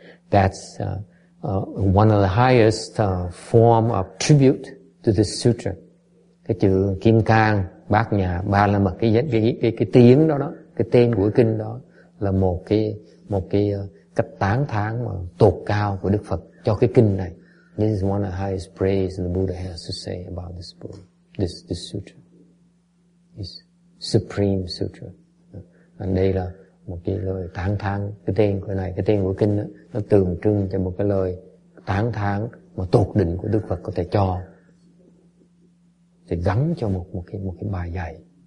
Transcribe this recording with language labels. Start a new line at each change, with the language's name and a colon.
English: That's one of the highest form of tribute to this sutra.
Vietnamese: Cái chữ Kim Cang Bát Nhã Ba La Mật, cái tiếng đó, cái tên của kinh đó là một cái cách tán thán mà tột cao của Đức Phật cho cái kinh này.
English: This is one of the highest praise the Buddha has to say about this book, this sutra. This supreme sutra.
Vietnamese: And đây là một cái lời tán thán, cái tên của này, cái tên của kinh đó, nó tượng trưng cho một cái lời tán thán mà tột đỉnh của Đức Phật có thể cho, thì gắn cho một cái bài dạy.